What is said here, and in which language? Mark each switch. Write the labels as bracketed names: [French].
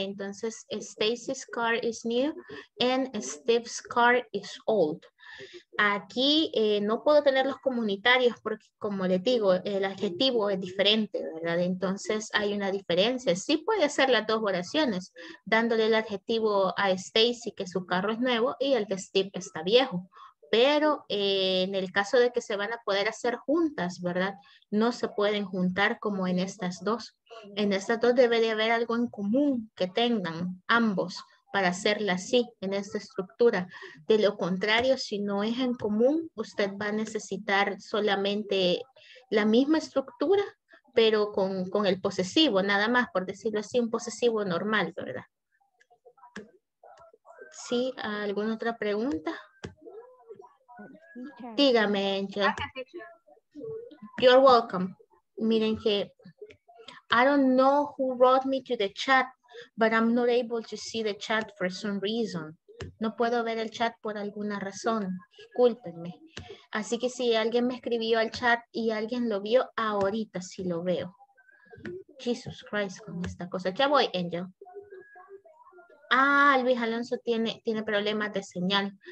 [English] Entonces, Stacy's car is new and Steve's car is old. [Spanish] Aquí no puedo tener los comunitarios porque, como les digo, el adjetivo es diferente, ¿verdad? Entonces hay una diferencia. Sí puede hacer las dos oraciones, dándole el adjetivo a Stacy que su carro es nuevo y el de Steve está viejo. Pero en el caso de que se van a poder hacer juntas, ¿verdad? No se pueden juntar como en estas dos. En estas dos debe de haber algo en común que tengan ambos para hacerla así, en esta estructura. De lo contrario, si no es en común, usted va a necesitar solamente la misma estructura, pero con el posesivo, nada más, por decirlo así, un posesivo normal, ¿verdad? Sí, ¿alguna otra pregunta? Dígame, Angel. [English] You're welcome. [Spanish] Miren que [English] I don't know who wrote me to the chat, but I'm not able to see the chat for some reason. [Spanish] No puedo ver el chat por alguna razón. Discúlpenme. Así que si alguien me escribió al chat y alguien lo vio, ahorita sí lo veo. Jesus Christ con esta cosa. Ya voy, Angel. Ah, Luis Alonso tiene problemas de señal.